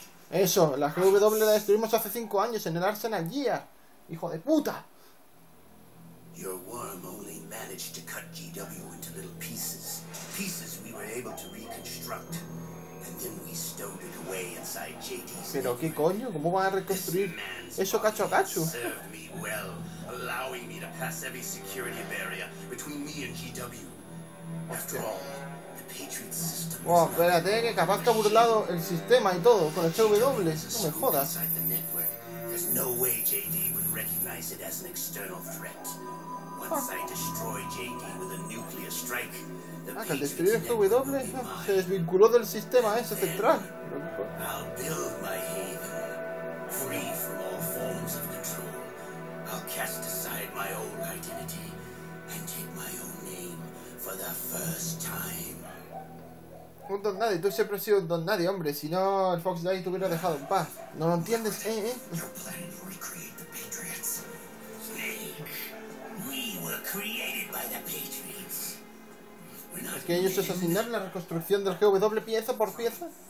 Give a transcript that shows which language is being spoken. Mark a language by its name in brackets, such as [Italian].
[Spanish] Eso, la GW la destruimos hace 5 años en el Arsenal Gear. ¡Hijo de puta! [English] Your worm only managed to cut GW into little pieces. Pieces we were able to reconstruct. And then we stowed it away inside JD's. [Spanish] Pero qué coño, ¿cómo van a reconstruir eso cacho a cacho? [English] Served me well, allowing me to pass every security barrier between me and GW. After all, the Patriot system. [Spanish] Wow, espérate, que capaz que ha burlado el sistema y todo con el CW. No me jodas. [English] There's no way JD would recognize it as an external threat. Once I destroy JD with a nuclear strike, the Patriot network [Spanish] se desvinculó del sistema ese central. [English] I'll build my haven, free from all forms of control. I'll cast aside my old identity and take my own name for the first time. [Spanish] Un don nadie, tú siempre has sido un don nadie, hombre. Si no, el Fox Day te hubiera dejado en paz. ¿No lo entiendes? ¿Es que ellos asesinaron la reconstrucción del GW pieza por pieza?